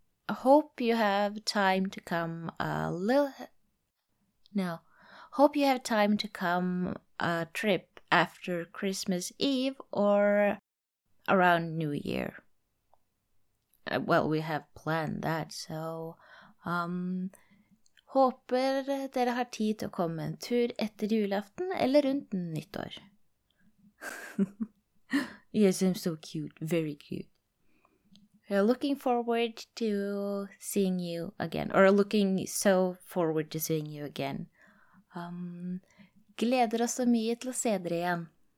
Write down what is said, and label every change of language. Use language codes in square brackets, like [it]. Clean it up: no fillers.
[en] Hope you have time to come a little... No. Hope you have time to come a trip after Christmas Eve or around New Year. Well, we have planned that, [no] so håper dere har tid til å komme en tur etter julaften eller rundt nyttår. [en] You seem so cute, very cute. We are looking forward to seeing you again, or looking so forward to seeing you again. [no] Gleder oss så mye til å se dere igjen.